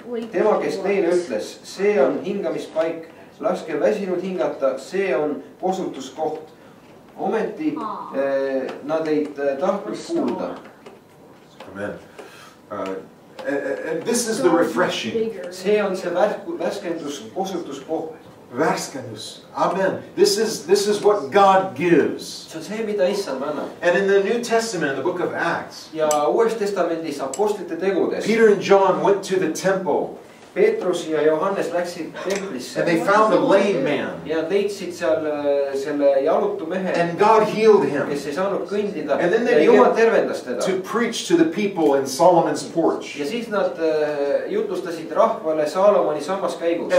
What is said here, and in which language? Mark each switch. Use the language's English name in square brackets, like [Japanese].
[Estonian] Tema, kes teile ütles, see on hingamispaik, laske väsinud hingata, see on kosutuskoht. Ometi nad ei tahtnud kuulda. Amen. [English] And this is the refreshing. [Estonian] See on see värskendus, osutus koht. Värskendus. [English] Amen. This is what God gives. [Estonian] See on see, mida Issand annab. [English] And in the New Testament, in the book of Acts. [Estonian] Ja Uues Testamendis apostlite tegudes. [English] Peter and John went to the temple. [Estonian] Petrus ja Johannes läksid templisse. [English] And they found a lame man. [Estonian] Ja leidsid seal selle jalutu mehe. [English] And God healed him. [Estonian] Kes ei saanud kõndida. [English] And then they began to preach to the people in Solomon's porch. [Estonian] Ja siis nad jutustasid rahvale Saalomoni sammas käigus.